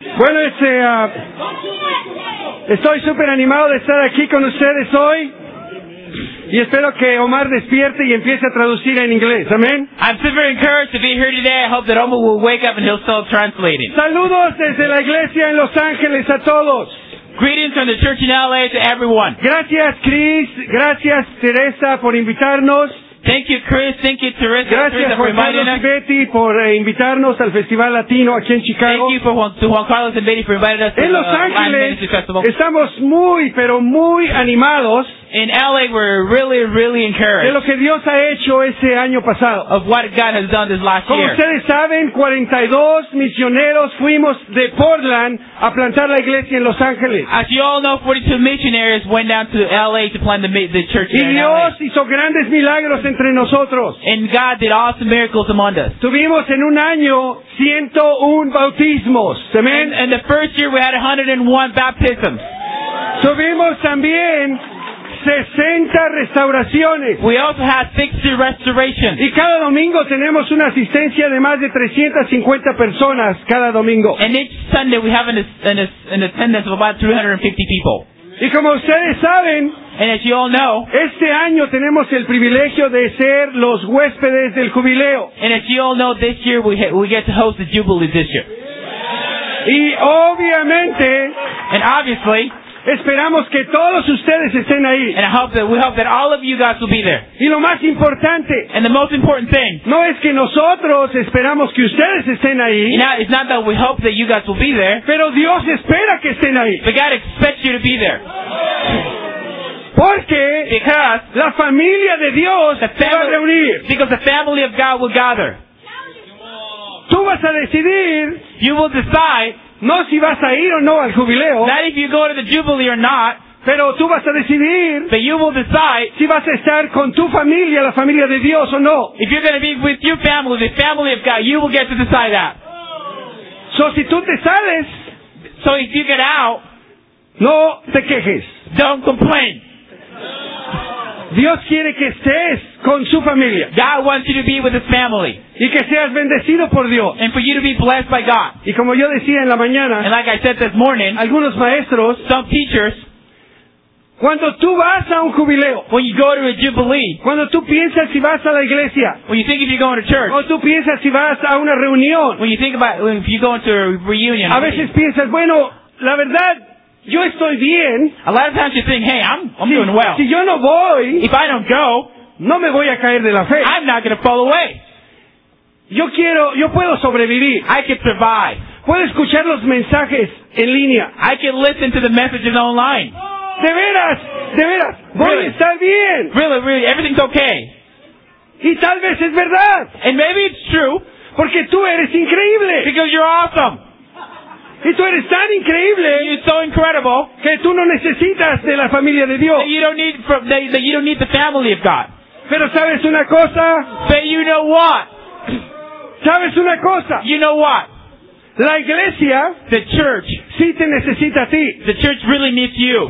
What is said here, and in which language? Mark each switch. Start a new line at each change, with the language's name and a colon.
Spanish: Bueno, estoy súper animado de estar aquí con ustedes hoy. Y espero que Omar despierte y empiece a traducir en inglés. Amén.
English: I'm super encouraged to be here today. I hope that Omar will wake up and he'll start translating.
Spanish: Saludos desde la iglesia en Los Ángeles a todos.
English: Greetings from the church in LA to everyone.
Spanish: Gracias, Chris. Gracias, Teresa, por invitarnos.
English: Thank you, Chris. Thank you, Teresa.
Spanish: Gracias, Chris, Juan Carlos
English: us.
Spanish: Y Betty, por invitarnos al Festival Latino aquí en Chicago.
English: Thank you for Juan Carlos and Betty for inviting us
Spanish: en
English: to Los Ángeles, Latin Ministry Festival.
Spanish: Estamos muy, pero muy animados.
English: In LA, we're really, really encouraged.
Spanish: De lo que Dios ha hecho ese año pasado.
English: Of what God has done this last
Spanish: Como
English: year.
Spanish: Como ustedes saben, 42 misioneros fuimos de Portland a plantar la iglesia en Los Ángeles.
English: As you all know, 42 missionaries went down to LA to plant the church
Spanish: y
English: there in
Spanish: Dios
English: LA.
Spanish: Y Dios hizo grandes milagros entre nosotros.
English: And God did awesome miracles among us.
Spanish: Tuvimos en un año 101 bautismos.
English: Amen. And the first year we had 101 baptisms.
Spanish: Tuvimos también 60 restauraciones.
English: We also had 60 restorations.
Spanish: Y cada domingo tenemos una asistencia de más de 350 personas cada domingo.
English: And each Sunday we have an attendance of about 350 people.
Spanish: Y como ustedes saben,
English: and as you all know,
Spanish: este año tenemos el privilegio de ser los huéspedes del jubileo.
English: And as you all know, this year we get to host the jubilee this year.
Spanish: Y obviamente,
English: and obviously,
Spanish: esperamos que todos ustedes estén ahí.
English: And we hope that all of you guys will be there.
Spanish: Y lo más importante,
English: and the most important thing,
Spanish: no es que nosotros esperamos que ustedes estén ahí.
English: It's not that we hope that you guys will be there.
Spanish: Pero Dios espera que estén ahí.
English: But God expects you to be there.
Spanish: Porque
English: because
Spanish: la familia de Dios se va a reunir.
English: Because the family of God will gather.
Spanish: Tú vas a decidir.
English: You will decide.
Spanish: No si vas a ir o no al jubileo.
English: Not if you go to the jubilee or not.
Spanish: Pero tú vas a decidir.
English: But you will decide.
Spanish: Si vas a estar con tu familia, la familia de Dios o no.
English: If you're going to be with your family, the family of God, you will get to decide that.
Spanish: So si tú te sales.
English: So if you get out.
Spanish: No te quejes.
English: Don't complain.
Spanish: Dios quiere que estés con su familia.
English: God wants you to be with his family.
Spanish: Y que seas bendecido por Dios.
English: And for you to be blessed by God.
Spanish: Y como yo decía en la mañana,
English: and like I said this morning,
Spanish: algunos maestros,
English: some teachers,
Spanish: cuando tú vas a un jubileo,
English: when you go to a jubilee,
Spanish: cuando tú piensas si vas a la iglesia,
English: when you think if you're going to church,
Spanish: o tú piensas si vas a una reunión,
English: when you think about if you're going to a reunion,
Spanish: a veces piensas, bueno, la verdad, yo estoy bien.
English: A lot of times you think, hey, I'm
Spanish: si,
English: doing well.
Spanish: Si yo no voy,
English: if I don't go,
Spanish: no me voy a caer de la fe.
English: I'm not going to fall away.
Spanish: Yo puedo sobrevivir.
English: I can survive.
Spanish: Puedo escuchar los mensajes en línea.
English: I can listen to the messages online.
Spanish: De veras. Voy
English: really?
Spanish: A estar bien.
English: Really. Everything's okay.
Spanish: Y tal vez es verdad.
English: And maybe it's true.
Spanish: Porque tú eres increíble.
English: Because you're awesome.
Spanish: Y tú eres tan increíble.
English: And you're so incredible.
Spanish: Que tú no necesitas de la familia de Dios.
English: That you don't need the family of God.
Spanish: Pero sabes una cosa.
English: But you know what?
Spanish: ¿Sabes una cosa?
English: You know what?
Spanish: La iglesia,
English: the church,
Spanish: sí te necesita a ti.
English: The church really needs you.